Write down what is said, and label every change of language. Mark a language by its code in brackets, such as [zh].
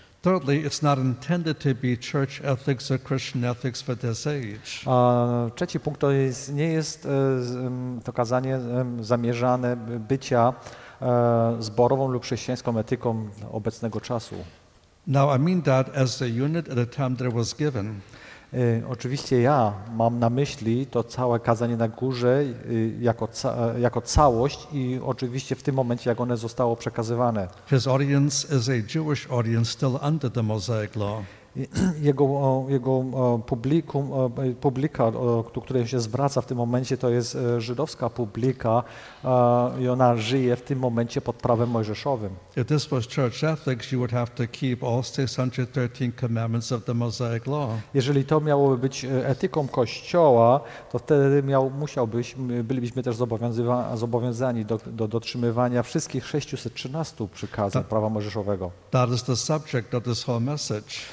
[en] Thirdly, it's not intended to be church ethics or Christian ethics for this age. [pl] A trzeci punkt to jest, nie jest to kazanie zamierzane bycia zborową lub chrześcijańską etyką obecnego czasu. [en] Now I mean that as a unit at the time that it was given. [pl] Oczywiście ja mam na myśli to całe kazanie na górze jako całość i oczywiście w tym momencie, jak one zostało przekazywane. [en] His audience is a Jewish audience still under the Mosaic law. [pl] Jego publika, do której się zwraca w tym momencie, to jest żydowska publika i ona żyje w tym momencie pod prawem mojżeszowym. [en] If this was church ethics, you would have to keep all 613 commandments of the Mosaic law. [pl] Jeżeli to miałoby być etyką Kościoła, to wtedy bylibyśmy też zobowiązani do dotrzymywania wszystkich 613 przykazań prawa mojżeszowego. [en] That is the subject of this whole message.